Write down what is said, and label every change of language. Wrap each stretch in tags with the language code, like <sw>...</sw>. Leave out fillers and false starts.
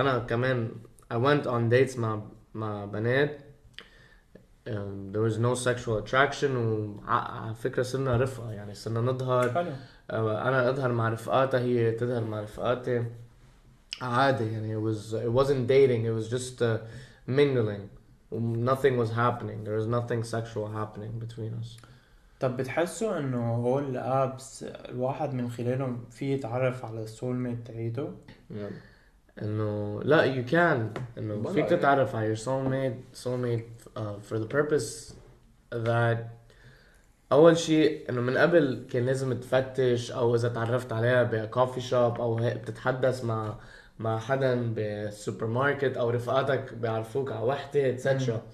<ar>انا كمان</ar> <en>I went on dates</en> <ar>مع بنات</ar> <en>there was no sexual attraction,</en> <ar>وفكرة صرنا رفقة يعني صرنا نظهر. أنا أظهر مع رفقاتها, هي تظهر مع رفقاتي عادي يعني.</ar> <en>It wasn't dating, it was just mingling. Nothing was happening, there was nothing sexual happening between us.</en> <ar>طب بتحسوا إنه هول الأبس الواحد من خلالهم فيه يتعرف على السول ميت تعيده؟ إنه لا,</ar> <en>you can,</en> <ar>إنه فيك تتعرف على</ar> <en>your soulmate for the purpose that</en> <ar>أول شيء إنه من قبل كان لازم تفتش, أو إذا تعرفت عليها ب coffee shop أو بتتحدث مع حدا ب supermarket أو رفقاتك بيعرفوك على وحدة etc.</ar>